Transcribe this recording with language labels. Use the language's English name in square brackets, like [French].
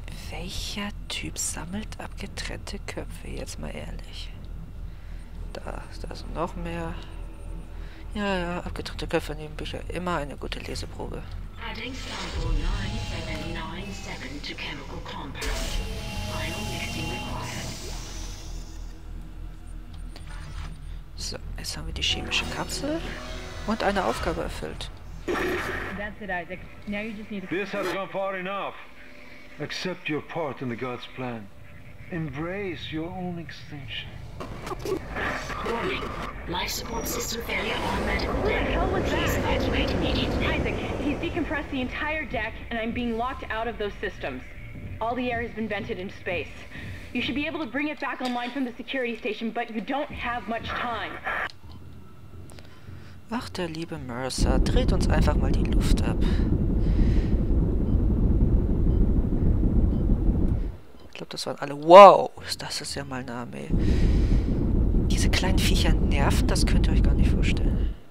[German] Welcher Typ sammelt abgetrennte Köpfe? Jetzt mal ehrlich. Da sind noch mehr. Ja, abgetrennte Köpfe nehmen Bücher. Immer eine gute Leseprobe. [English] Adding sample 9797 to chemical compound. Final mixing required. [German] So, jetzt haben wir die chemische Kapsel und eine Aufgabe erfüllt. [English] That's it, Isaac. Now you just need to... This has gone far enough. Accept your part in the God's plan. Embrace your own extinction. Warning. Life support system failure on medical deck. What the hell was that? Please evacuate immediately. Isaac, he's decompressed the entire deck and I'm being locked out of those systems. All the air has been vented into space. You should be able to bring it back online from the security station, but you don't have much time. [German] Ach, der liebe Mercer, dreht uns einfach mal die Luft ab. Ich glaube, das waren alle. Wow, das ist ja mal eine Armee. Diese kleinen Viecher nerven, das könnt ihr euch gar nicht vorstellen.